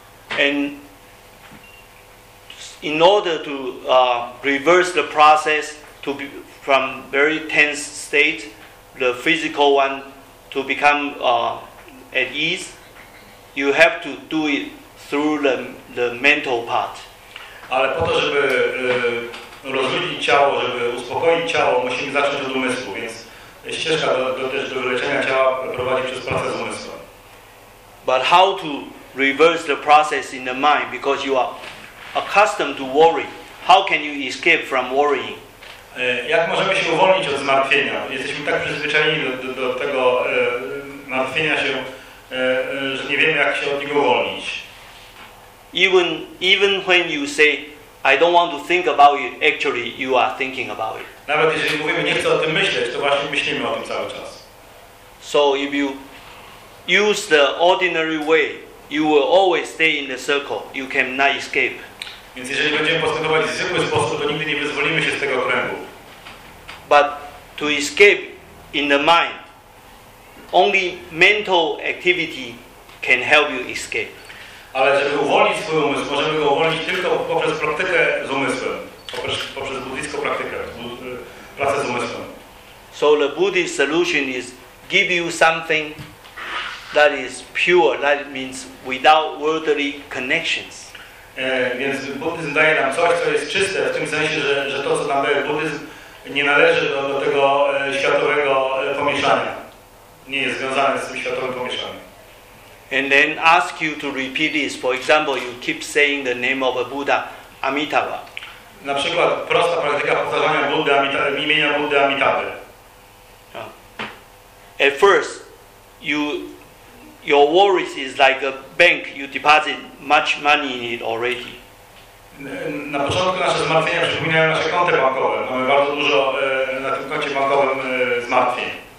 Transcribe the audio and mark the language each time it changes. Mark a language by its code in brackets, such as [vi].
[en] And in order to reverse the process to be from very tense state, the physical one, to become at ease, you have to do it through the mental part. [pl] Ale po to, żeby rozluźnić ciało, żeby uspokoić ciało, musimy zacząć od umysłu, więc ścieżka do wyleczenia ciała prowadzi przez proces umysłu. [en] But how to reverse the process in the mind, because you are accustomed to worry, how can you escape from worrying? [pl] Jak możemy się uwolnić od zmartwienia? Jesteśmy tak przyzwyczajeni do tego martwienia się, że nie wiemy, jak się od niego uwolnić. [en] Even when you say, I don't want to think about it, actually you are thinking about it. [pl] Nawet jeżeli mówimy, nie chcę o tym myśleć, to właśnie myślimy o tym cały czas. [en] So if you use the ordinary way, you will always stay in the circle. You cannot escape. [pl] Więc jeżeli będziemy postępować w zwykły sposób, to nigdy nie wyzwolimy się z tego kręgu. [en] But to escape in the mind, only mental activity can help you escape. [pl] Ale żeby uwolnić swój umysł, możemy go uwolnić tylko poprzez praktykę z umysłem, poprzez buddhistką praktykę, pracę z umysłem. [en] So the Buddhist solution is give you something that is pure, that means without worldly connections. [pl] Więc buddhizm daje nam coś, co jest czyste, w tym sensie, że to, co nam daje buddhizm, nie należy do tego światowego pomieszania. Nie jest związane z tym światowym pomieszaniem. [en] And then ask you to repeat this. For example, you keep saying the name of a Buddha, Amitabha. [pl] Na przykład prosta praktyka powtarzania Buddy, imienia Buddy Amitabha. Yeah. [en] At first, your worries is like a bank. You deposit much money in it already. [pl] Na początku nasze zmartwienia przypominają nasze konty bankowe. Mamy bardzo dużo na tym koncie bankowym zmartwień.